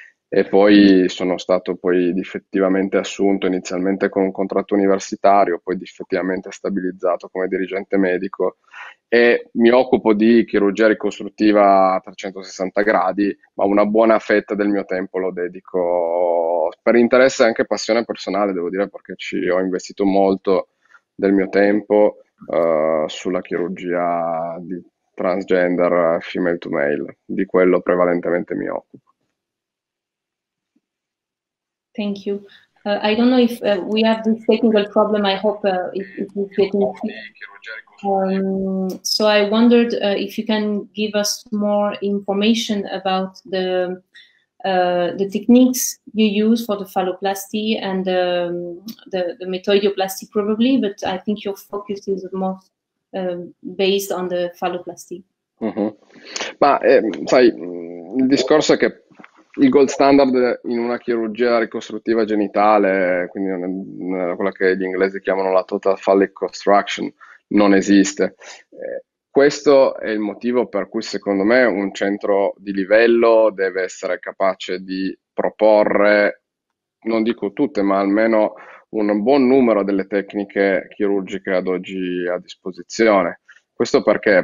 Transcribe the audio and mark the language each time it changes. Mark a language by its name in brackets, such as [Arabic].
[Italian] E poi sono stato poi effettivamente assunto inizialmente con un contratto universitario, poi effettivamente stabilizzato come dirigente medico e mi occupo di chirurgia ricostruttiva a 360 gradi, ma una buona fetta del mio tempo lo dedico per interesse e anche passione personale, devo dire, perché ci ho investito molto del mio tempo sulla chirurgia di transgender [English] female to male, [Italian] di quello prevalentemente mi occupo. [English] Thank you. I don't know if we have this technical problem. I hope it is getting fixed. So I wondered if you can give us more information about the techniques you use for the phalloplasty and the metoidioplasty probably, but I think your focus is more based on the phalloplasty. [Italian] Ma sai, il discorso è che il gold standard in una chirurgia ricostruttiva genitale, quindi quella che gli inglesi chiamano la total phallic reconstruction, non esiste. Questo è il motivo per cui, secondo me, un centro di livello deve essere capace di proporre, non dico tutte, ma almeno un buon numero delle tecniche chirurgiche ad oggi a disposizione. Questo perché?